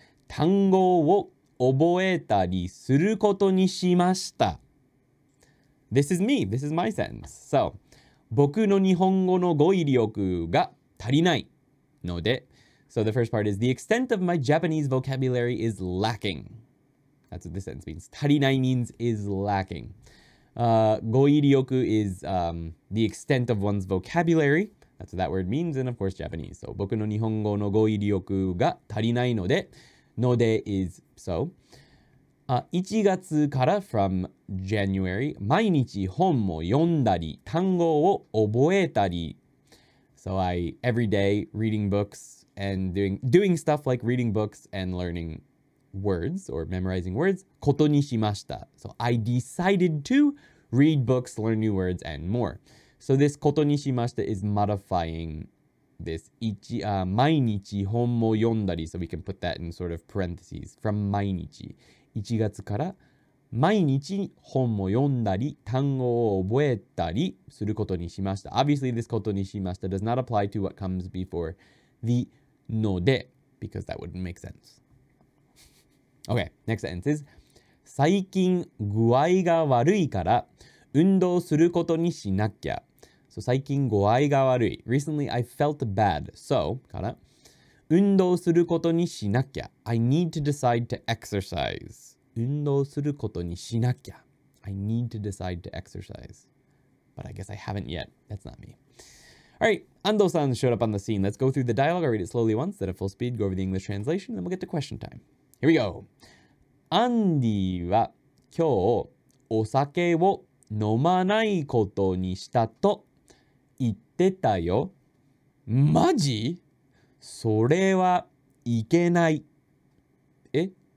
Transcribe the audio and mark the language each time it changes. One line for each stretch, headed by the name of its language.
Japanese: 単語を覚えたりすることにしました。
English: This is me. This is my sentence. So,
Japanese: 僕の日本語の語彙力が足りないので。
English: So the first part is, the extent of my Japanese vocabulary is lacking. That's what this sentence means. 足りない means is lacking. 語彙力 is the extent of one's vocabulary. That's what that word means, and of course Japanese. So
Japanese: 僕の日本語の語彙力が足りないので。
English: ので is so.
Japanese: 1月から
English: from January,
Japanese: 毎日本を読んだり、単語を覚えたり。
English: So I, every day, reading books and doing stuff like reading books and learning words or memorizing words.
Japanese: ことにしました。
English: So I decided to read books, learn new words and more. So this ことにしました is modifying... This
Japanese: 毎日本も読んだり
English: so we can put that in sort of parentheses from 毎日
Japanese: 1月から毎日本も読んだり単語を覚えたりすることにしました
English: Obviously this ことにしました does not apply to what comes before the ので because that wouldn't make sense Okay, next sentence is
Japanese: 最近具合が悪いから運動することにしなきゃ
English: So,
Japanese: 最近具合が悪い。
English: Recently, I felt bad. So, から
Japanese: 運動することにしなきゃ。
English: I need to decide to exercise.
Japanese: 運動することにしなきゃ。
English: I need to decide to exercise. But I guess I haven't yet. That's not me. Alright, 安藤さん showed up on the scene. Let's go through the dialogue. I'll read it slowly once, then at full speed, go over the English translation, and then we'll get to question time. Here we go.
Japanese: アンディは今日お酒を飲まないことにしたと言ってたよ。マジ？それはいけない。え？